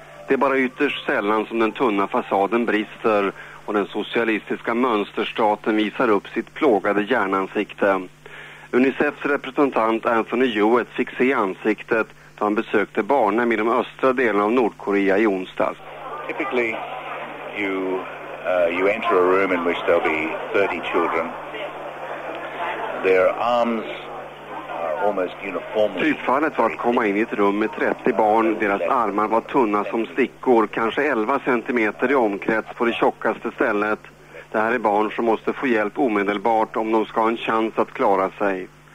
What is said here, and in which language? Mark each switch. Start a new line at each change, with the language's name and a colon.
Swedish: Det är bara ytterst sällan som den tunna fasaden brister och den socialistiska mönsterstaten visar upp sitt plågade hjärnansikte. UNICEFs representant Anthony Hewitt fick se ansiktet då han besökte barnen i de östra delarna av Nordkorea i onsdags.
English: Typically you enter a room in which there'll be 30 children. Their arms are almost uniformly.
Swedish: Typfallet var att komma in i ett rum med 30 barn. Deras armar var tunna som stickor, kanske 11 cm i omkrets på det tjockaste stället. Det här är barn som måste få hjälp omedelbart om de ska ha en chans att klara sig.